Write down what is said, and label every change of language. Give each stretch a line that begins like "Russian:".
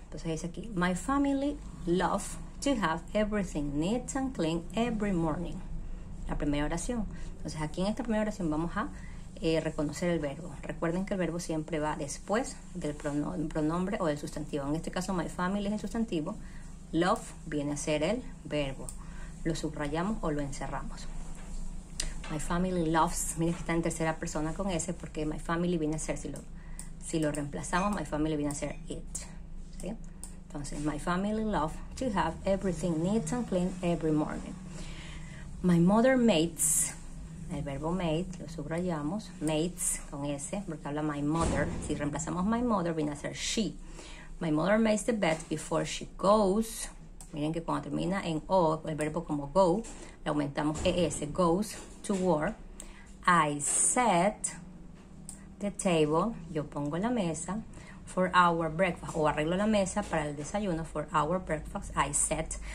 Spanish: Entonces dice aquí,
English: my family love to have everything neat and clean every morning.
Spanish: La primera oración. Entonces aquí en esta primera oración vamos a reconocer el verbo. Recuerden que el verbo siempre va después del pronombre o del sustantivo. En este caso my family es el sustantivo. Love viene a ser el verbo. Lo subrayamos o lo encerramos. My family loves. Miren que está en tercera persona con ese porque my family viene a ser, si lo reemplazamos, my family viene a ser it. ¿Sí?
English: Entonces my family loves to have everything neat and clean every morning. My mother mates,
Spanish: el verbo mate, lo subrayamos, mates con S, porque habla my mother. Si reemplazamos
English: my mother,
Spanish: viene a ser
English: she. My mother makes the bed before she goes.
Spanish: Miren que cuando termina en O, el verbo como go, le aumentamos ES, goes to work.
English: I set the table,
Spanish: yo pongo la mesa,
English: for our breakfast,
Spanish: o arreglo la mesa para el desayuno,
English: for our breakfast, I set.